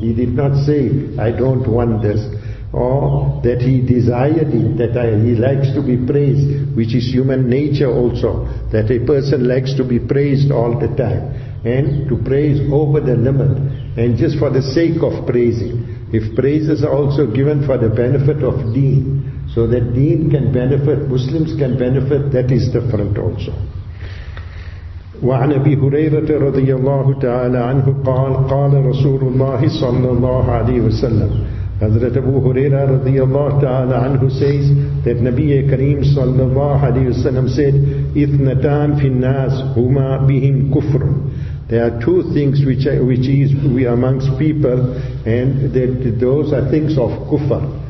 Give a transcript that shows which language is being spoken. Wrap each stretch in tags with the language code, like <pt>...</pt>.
<en>He did not say, I don't want this. Or that he desired it, that he likes to be praised, which is human nature also, that a person likes to be praised all the time, and to praise over the limit, and just for the sake of praising. If praises are also given for the benefit of deen, so that deen can benefit, Muslims can benefit, that is different also.</en> <ar>وعن أبي هريرة رضي الله تعالى عنه قال قال رسول الله صلى الله عليه وسلم.</ar> <en>Hazrat Abu Huraira radiyallahu ta'ala anhu says that Nabiyye Kareem sallallahu alayhi wa sallam said,</en> <ar>إِثْنَتَانْ فِي النَّاسِ هُمَا بِهِمْ كُفْرٌ.</ar> <en>There are two things which is amongst people, and that those are things of kufr.</en>